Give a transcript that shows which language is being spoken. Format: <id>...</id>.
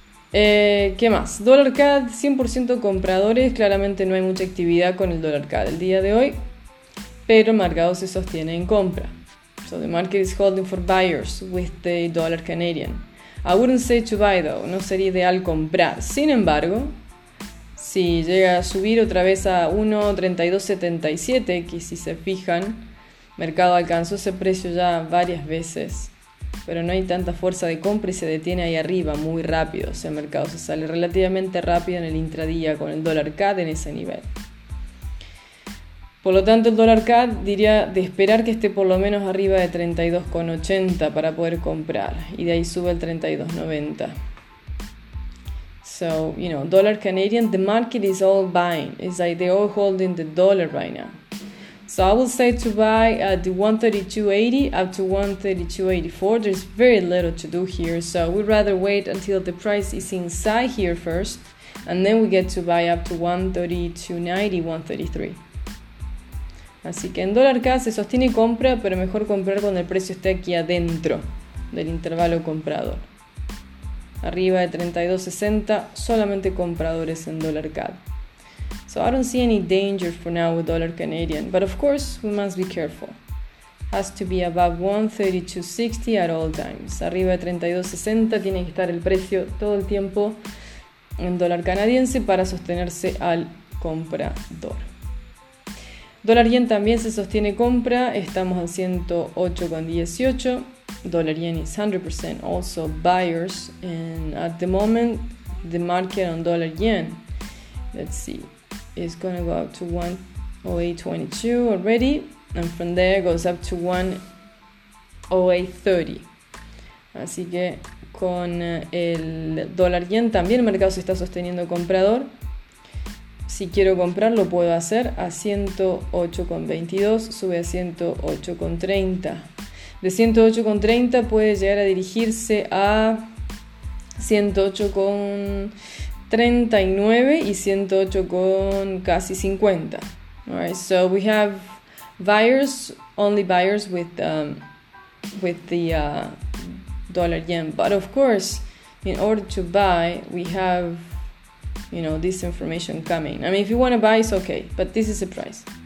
<es>¿Qué más? Dollar CAD, 100% compradores. Claramente no hay mucha actividad con el dollar CAD el día de hoy. Pero el mercado se sostiene en compra.</es> <en>So the market is holding for buyers with the dollar Canadian. I wouldn't say to buy though,</en> <es>no sería ideal comprar. Sin embargo, si llega a subir otra vez a 1.3277, que si se fijan, mercado alcanzó ese precio ya varias veces, pero no hay tanta fuerza de compra y se detiene ahí arriba muy rápido. O sea, el mercado se sale relativamente rápido en el intradía con el dólar CAD en ese nivel. Por lo tanto, el dólar CAD diría de esperar que esté por lo menos arriba de 32.80 para poder comprar. Y de ahí sube al 32.90.</es> <en>So, you know, dollar Canadian, the market is all buying. It's like they're all holding the dollar right now. So I would say to buy at the 1.3280 up to 1.3284. There's very little to do here. So we'd rather wait until the price is inside here first. And then we get to buy up to 1.3290, 1.33.</en> <es>Así que en dólar CAD se sostiene compra, pero mejor comprar cuando el precio esté aquí adentro. del intervalo comprador. Arriba de 32.60, solamente compradores en dólar CAD.</es> <en>So I don't see any danger for now with dollar Canadian, but of course we must be careful. Has to be above 132.60 at all times.</en> <es>Arriba de 32.60 tiene que estar el precio todo el tiempo en dólar canadiense para sostenerse al comprador. Dólar yen también se sostiene compra, estamos a 108.18.</es> <en>Dollar yen is 100% also buyers, and at the moment the market on dollar yen, let's see, is gonna go up to 108.22 already, and from there goes up to 108.30.</en> <es>Así que con el dólar yen también el mercado se está sosteniendo comprador. Si quiero comprar, lo puedo hacer a 108.22, sube a 108.30. De 108.30 puede llegar a dirigirse a 108.39 y 108 con casi 50.</es> <en>All right, so we have buyers, only buyers with the dollar yen. But of course, in order to buy, we have, you know, this information coming. I mean, if you want to buy, it's okay, but this is the price.</en>